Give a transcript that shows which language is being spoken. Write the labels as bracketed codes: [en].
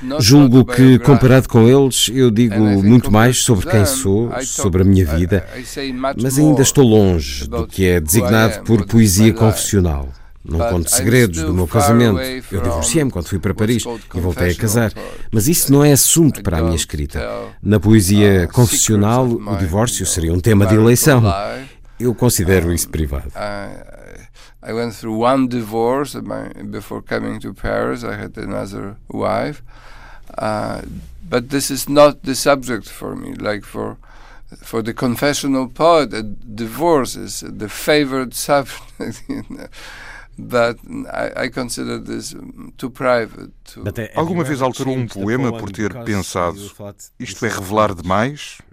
[pt] Julgo que, comparado com eles, eu digo muito mais sobre quem sou, sobre a minha vida, mas ainda estou longe do que é designado por poesia confessional. Não conto segredos do meu casamento. Eu divorciei-me quando fui para Paris e voltei a casar. Mas isso não é assunto para a minha escrita. Na poesia confessional, o divórcio seria um tema de eleição. Eu considero isso privado. [en] I went through one divorce before coming to Paris. I had another wife. But this is not the subject for me. Like for the confessional poet, a divorce is the favorite subject. But I consider this too private. [pt] Alguma vez alterou um poema por ter pensado isto é revelar demais?